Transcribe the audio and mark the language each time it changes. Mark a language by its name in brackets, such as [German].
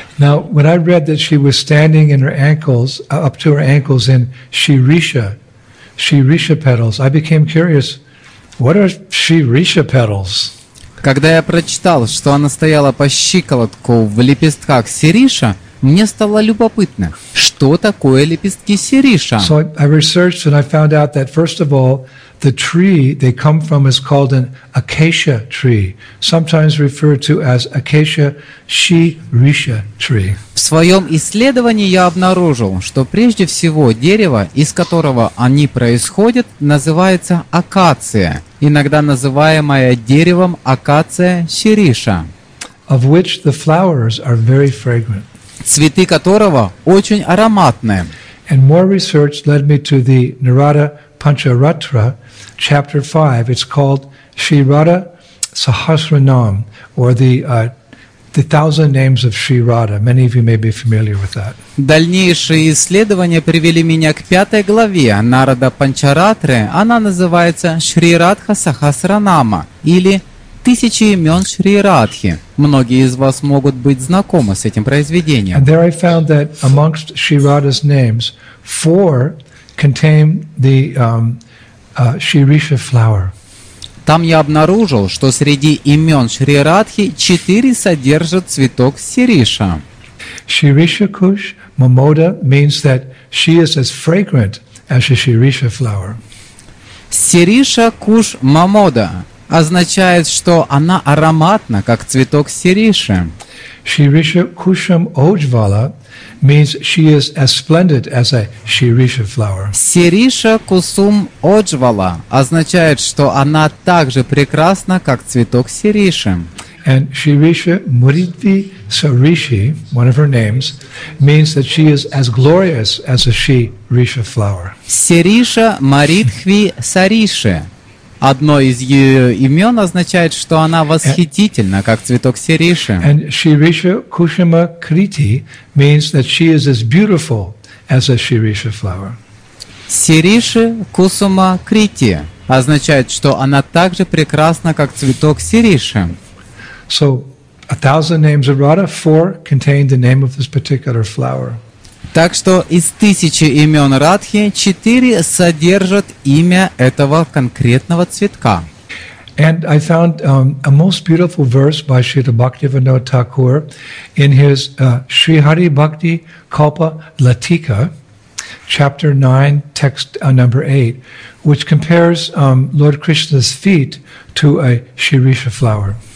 [English] Now, when I read that she was standing in her ankles, up to her ankles in shirisha petals, I became curious, what are shirisha petals? [Russian] Когда я прочитал, что она стояла по щиколотку в лепестках сириша, мне стало любопытно, что такое лепестки сириша. [English] So I researched and I found out that first of all, the tree they come from is called an acacia tree, sometimes referred to as acacia shirisha tree. [Russian] В своем исследовании я обнаружил, что прежде всего дерево, из которого они происходят, называется акация, иногда называемое деревом акация сириша. [English] Of which the flowers are very fragrant. [Russian] Цветы которого очень ароматные. [English] And more research led me to the Narada Pancharatra, chapter 5. It's called Shri Radha Sahasranam, or the thousand names of Shri Radha. Many of you may be familiar with that. [Russian] Дальнейшие исследования привели меня к пятой главе Нарада Панчаратры. Она называется Шри Радха Сахасранама, или «Тысячи имен Шри Радхи». Многие из вас могут быть знакомы с этим произведением. [English] And there I found that amongst Shri Radha's names, four contain the shirisha flower. [Russian] Там я обнаружил, что среди имен Шри Радхи четыре содержат цветок сириша. [English] Shirisha Kush Mamoda means that she is as fragrant as a shirisha flower. [Russian] Сириша Куш Мамода означает, что она ароматна, как цветок сириши. [English] Shirisha Kusham Ojvala means she is as splendid as a shirisha flower. [Russian] Shirisha Kusum Ojvala означает, что она так же прекрасна, как цветок сириши. [English] And Shirisha Muriti Sarishi, one of her names, means that she is as glorious as a shirisha flower. [Sanskrit] Shirisha Muriti Sarishi. [Russian] Одно из ее имен означает, что она восхитительна, как цветок сириши. [English] And Shirisha Kushama Kriti means that she is as beautiful as a shirisha flower. [Russian] Shirisha Kusuma Kriti означает, что она так же прекрасна, как цветок сириши. [English] So, a thousand names of Radha, four contain the name of this particular flower. [Russian] Так что из тысячи имен Радхи четыре содержат имя этого конкретного цветка. [English] And I found a most beautiful verse by Śrīla Bhaktivinoda Thakur in his Śrī Hari Bhakti Kalpa Latika, chapter 9, text number 8, which compares Lord Krishna's feet to a shirisha flower.